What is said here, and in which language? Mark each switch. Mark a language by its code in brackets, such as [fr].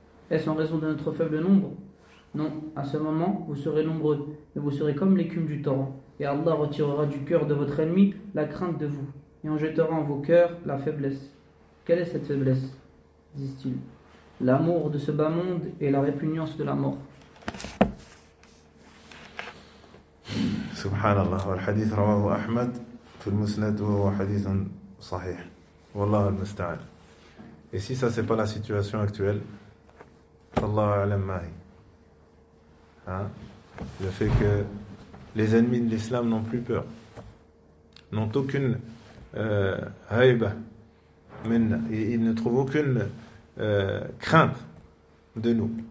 [fr] Est-ce en raison de notre faible nombre? Non, à ce moment, vous serez nombreux, mais vous serez comme l'écume du torrent, et Allah retirera du cœur de votre ennemi la crainte de vous, et en jettera en vos cœurs la faiblesse. Quelle est cette faiblesse? Disent-ils: l'amour de ce bas monde et la répugnance de la mort. [ar] سبحان الله، والحديث رواه أحمد في المسند وهو حديث صحيح. والله المستعان. [fr] Et si ça c'est pas la situation actuelle, [ar] فالله أعلم ما هي. [fr] Le fait que les ennemis de l'islam n'ont plus peur, n'ont aucune haïba, ils ne trouvent aucune crainte de nous.